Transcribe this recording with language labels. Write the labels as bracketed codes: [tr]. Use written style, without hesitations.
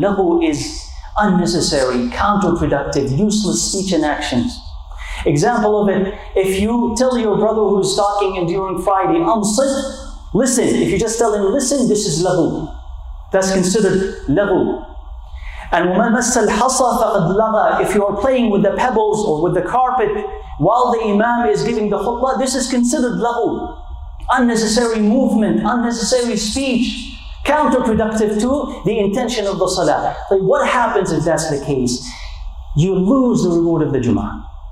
[en] لَغُو is unnecessary, counterproductive, useless speech and actions. Example of it, if you tell your brother who's talking during Friday, أَنصِتْ, listen. If you just tell him, listen, this is لَغُو. That's considered لَغُو. And [ar] وَمَنْ مَسَّ الْحَصَى فَقَدْ لَغَى. [en] If you are playing with the pebbles or with the carpet while the imam is giving the khutbah, this is considered لَغُو. Unnecessary movement, unnecessary speech, counterproductive to the intention of the salah. Like what happens if that's the case? You lose the reward of the Jum'ah.